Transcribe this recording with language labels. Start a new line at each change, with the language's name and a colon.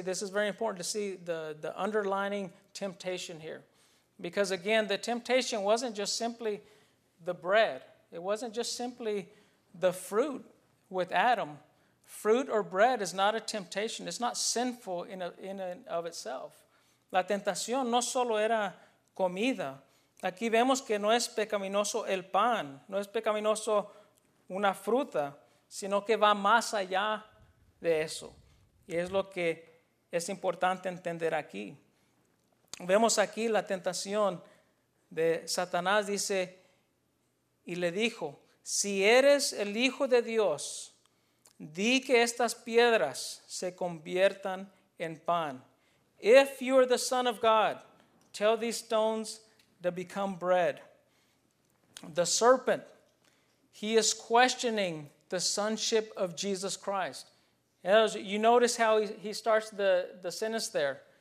English: This is very important to see the underlining temptation here. Because again, the temptation wasn't just simply the bread. It wasn't just simply the fruit with Adam. Fruit or bread is not a temptation. It's not sinful in and of itself.
Spanish: La tentación no solo era comida. Aquí vemos que no es pecaminoso el pan. No es pecaminoso una fruta, sino que va más allá de eso. Y es lo que es importante entender aquí. Vemos aquí la tentación de Satanás, dice, y le dijo, si eres el Hijo de Dios, di que estas piedras se conviertan en pan.
English: If you are the Son of God, tell these stones to become bread. The serpent, he is questioning the sonship of Jesus Christ. As you notice how he starts the sentence there.